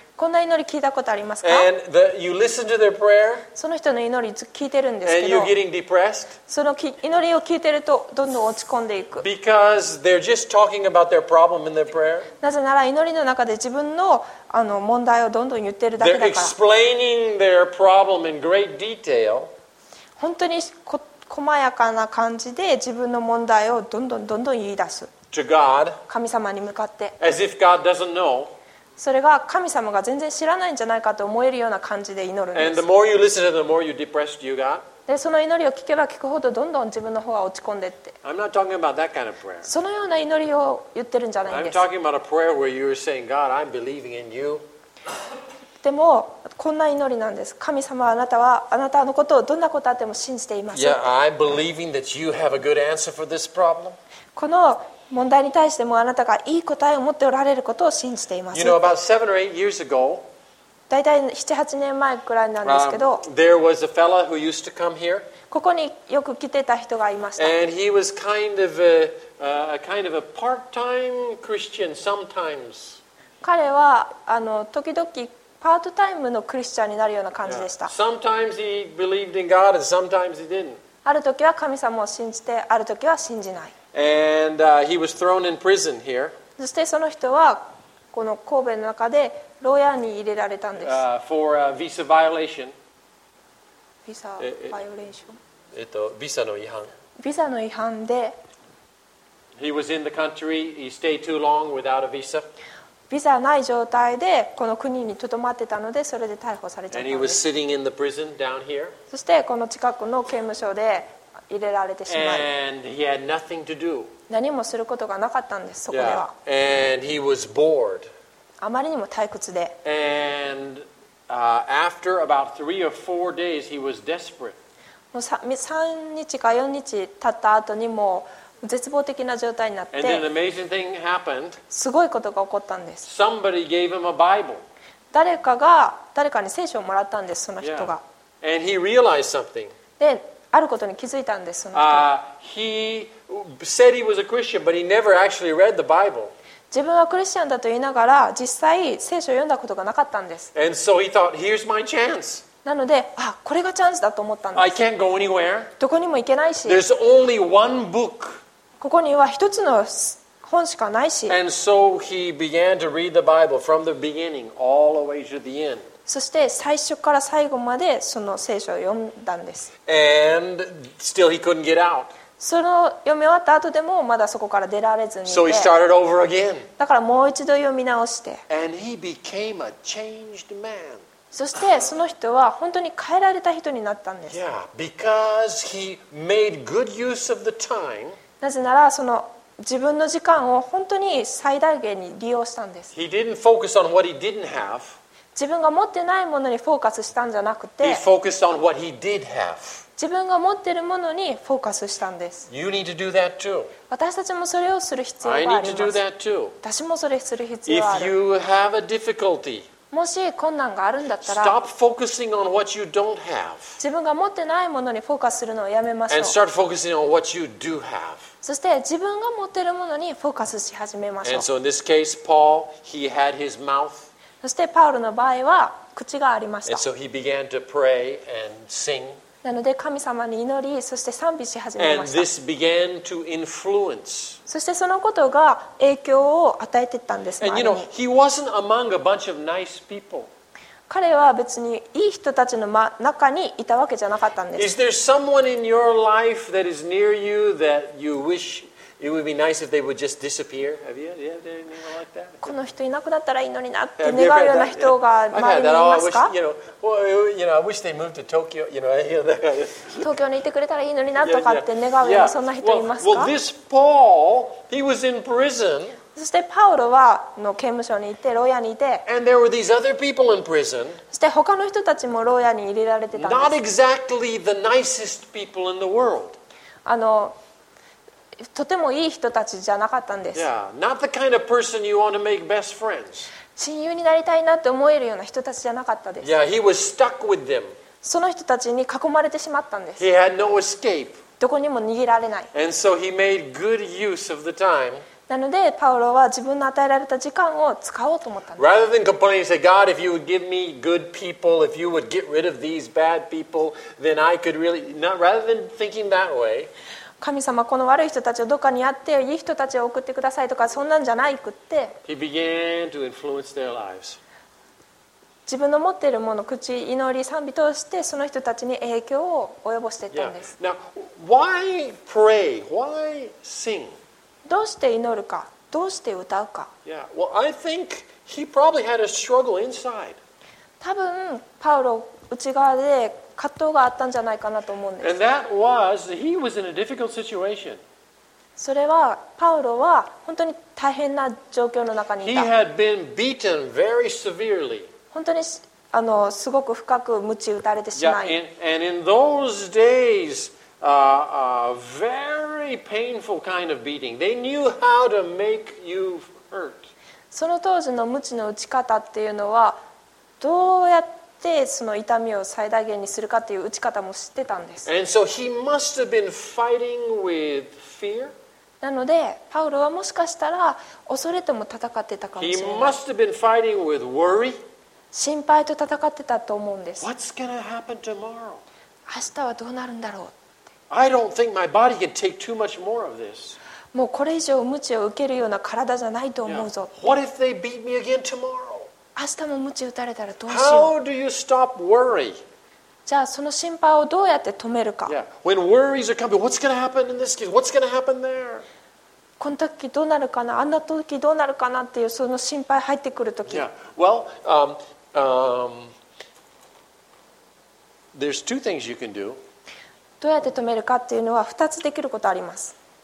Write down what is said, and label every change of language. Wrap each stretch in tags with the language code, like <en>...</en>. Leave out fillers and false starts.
<ja>こんな祈り聞いたことありますか?</ja> <en>And the, you listen to their prayer.</en> <ja>その人の祈り聞いてるんですけど。</ja> <en>And you're getting depressed.</en> <ja>その祈りを聞いてるとどんどん落ち込んでいく。</ja> <en>Because they're just talking about their problem in their prayer.</en> <ja>なぜなら祈りの中で自分のあの問題をどんどん言ってるだけだから。</ja> <en>They're explaining their problem in great detail.</en> <ja>本当に細やかな感じで自分の問題をどんどんどんどん言い出す。</ja> <en>To God.</en> <ja>神様に向かって。</ja> <en>As if God doesn't know.</en> <ja>それが神様が全然知らないんじゃないかと思えるような感じで祈るんです</ja> <en>。 Listen, the more you depressed you got.</en> <ja>でその祈りを聞けば聞くほどどんどん自分の方が落ち込んでって。</ja> <en>I'm not talking about that kind of prayer.</en> <ja>そのような祈りを言ってるんじゃないんです。</ja> <en>I'm talking about a prayer where you're saying, God, I'm believing in you.</en> <ja>でもこんな祈りなんです。神様あなたはあなたのことをどんなことあっても信じています。</ja> <en>Yeah, I'm believing that you have a good answer for this problem.</en> <ja>この問題に対してもあなたがいい答えを持っておられることを信じています。</ja> <en>You know, about seven or eight years ago,</en> <ja>だいたい七八年前くらいなんですけど、</ja> <en>there was a fella who used to come here.</en> <ja>ここによく来てた人がいました。</ja> <en>And he was kind of a part-time Christian sometimes.</en> <ja>彼はあの時々パートタイムのクリスチャンになるような感じでした。</ja> <en>Yeah. Sometimes he believed in God and sometimes he didn't.</en> <ja>ある時は神様を信じて、ある時は信じない。</ja> <en>And he was thrown in prison here.</en> <ja>そしてその人はこの神戸の中で牢屋に入れられたんです。</ja> <en>For a visa violation. Visa violation.</en> <ja>ビザの違反。ビザの違反で。</ja> <en>He was in the country. He stayed too long without a visa.</en> <ja>ビザない状態でこの国に留まってたのでそれで逮捕されちゃったんです。</ja> <en>And he was sitting in the prison down here.</en> <ja>そしてこの近くの刑務所で。入れられてしまい</ja> <en>And he had nothing to do.</en> <ja>何もすることがなかったんですそこでは、</ja> <en>yeah. And he was bored.</en> <ja>あまりにも退屈で</ja> <en>And, after about three or four days, he was desperate.</en> <ja>もう 3日か4日経った後にもう絶望的な状態になって</ja> <en>And then an amazing thing happened.</en> <ja>すごいことが起こったんです</ja> <en>Somebody gave him a Bible.</en> <ja>誰かに聖書をもらったんですその人が、</ja> <en>yeah. And he realized something.</en> <ja>であることに気づいたんですその人。</ja> <en>He said he was a Christian, but he never actually read the Bible.</en> <ja>自分はクリスチャンだと言いながら実際聖書を読んだことがなかったんです。</ja> <en>And so he thought, here's my chance.</en> <ja>なのであこれがチャンスだと思ったんです。</ja> <en>I can't go anywhere.</en> <ja>どこにも行けないし。</ja> <en>There's only one book.</en> <ja>ここには一つの本しかないし。</ja> <en>And so he began to read the Bible from the beginning all the way to the end.</en> <ja>そして最初から最後までその聖書を読んだんです。</ja> <en>And still he couldn't get out.</en> <ja>その読み終わった後でもまだそこから出られずにいて。</ja> <en>So he started over again.</en> <ja>だからもう一度読み直して。</ja> <en>And he became a changed man.</en> <ja>そしてその人は本当に変えられた人になったんです。</ja> <en>Yeah, because he made good use of the time.</en> <ja>なぜならその自分の時間を本当に最大限に利用したんです。</ja> <en>He didn't focus on what he didn't have.</en> <ja>自分が持ってないものにフォーカスしたんじゃなくて</ja> <en>He focused on what he did have.</en> <ja>自分が持ってるものにフォーカスしたんです</ja> <en>you need to do that too.</en> <ja>私たちもそれをする必要があります</ja> <en>I need to do that too.</en> <ja>私もそれをする必要がある</ja> <en>If you have a difficulty,</en> <ja>もし困難があるんだったら</ja> <en>stop focusing on what you don't have.</en> <ja>自分が持ってないものにフォーカスするのをやめましょう</ja> <en>and start focusing on what you do have.</en> <ja>そして自分が持ってるものにフォーカスし始めましょう</ja> <en>and so in this case, Paul, he had his mouth</en> <ja>そしてパウロの場合は口がありました。</ja> <en>And so he began to pray and sing.</en> <ja>なので神様に祈り、そして賛美し始めました。</ja> <en>And this began to influence.</en> <ja>そしてそのことが影響を与えていったんです。</ja> <en>And you know, he wasn't among a bunch of nice people.</en> <ja>彼は別にいい人たちの中にいたわけじゃなかったんです。</ja> <en>Is there someone in your life that is near you that you wish it would be nice if they would just disappear? Have you ever anyone like that?</en> <ja>この人いなくなったらいいのになって願うような人が周りにいますか？</ja> <en>I wish, I wish they moved to Tokyo. You know,</en> <ja>東京にいてくれたらいいのになとかって願うようなそんな人いますか？</ja> <en>Well, this Paul, he was in prison.</en> <ja>そしてパウロはの刑務所にいて、牢屋にいて。</ja> <en>And there were these other people in prison.</en> <ja>そして他の人たちも牢屋に入れられてたんです。</ja> <en>Not exactly the nicest people in the world.</en> <ja>とてもいい人たちじゃなかったんです。</ja> <en>Yeah, not the kind of person you want to make best friends.</en> <ja>親友になりたいなって思えるような人たちじゃなかったです。</ja> <en>Yeah, he was stuck with them.</en> <ja>その人たちに囲まれてしまったんです。</ja> <en>He had no escape.</en> <ja>どこにも逃げられない。</ja> <en>And so he made good use of the time.</en> <ja>なのでパウロは自分の与えられた時間を使おうと思ったんです。</ja> <en>Rather than complaining, say, God, if you would give me good people, if you would get rid of these bad people, then I could really not. Rather than thinking that way.</en> <ja>神様この悪い人たちをどこかにあっていい人たちを送ってくださいとかそんなんじゃないくって</ja> <en>He began to influence their lives.</en> <ja>自分の持っているもの口祈り賛美通してその人たちに影響を及ぼしていったんです、</ja> <en>yeah. Now, why pray? Why sing?</en> <ja>どうして祈るかどうして歌うか</ja> <en>yeah. Well, I think he probably had a struggle inside.</en> <ja>多分パウロ内側で葛藤があったんじゃないかなと思うんです。</ja> <en>And that was, he was in a difficult situation.</en> <ja>それはパウロは本当に大変な状況の中にいた。</ja> <en>He had been beaten very severely.</en> <ja>本当にすごく深く鞭打たれてしまい。</ja> <en>Yeah, and in those days, a very painful kind of beating. They knew how to make you hurt.</en> <ja>その当時の鞭の打ち方っていうのはどうやってその痛みを最大限にするかという打ち方も知ってたんです。</ja> <en>And so he must have been fighting with fear.</en> <ja>なのでパウロはもしかしたら恐れとも戦ってたかもしれない。</ja> <en>He must have been fighting with worry.</en> <ja>心配と戦ってたと思うんです。</ja> <en>What's gonna happen tomorrow?</en> <ja>明日はどうなるんだろう。</ja> <en>I don't think my body can take too much more of this.</en> <ja>もうこれ以上鞭を受けるような体じゃないと思うぞ。</ja> <en>Yeah. What if they beat me again tomorrow?</en> <ja>明日も鞭打たれたらどうしよう。</ja> <en>How do you stop worry?</en> <ja>じゃあその心配をどうやって止めるか。</ja> <en>Yeah. When worries are coming, what's going to happen in this case? What's going to happen there?</en> <ja>この時どうなるかな、あんな時どうなるかなっていうその心配入ってくる時。</ja> <en>Yeah. Well, there's two things you can do.</en> <ja>どうやって止めるかっていうのは2つできることあります。</ja>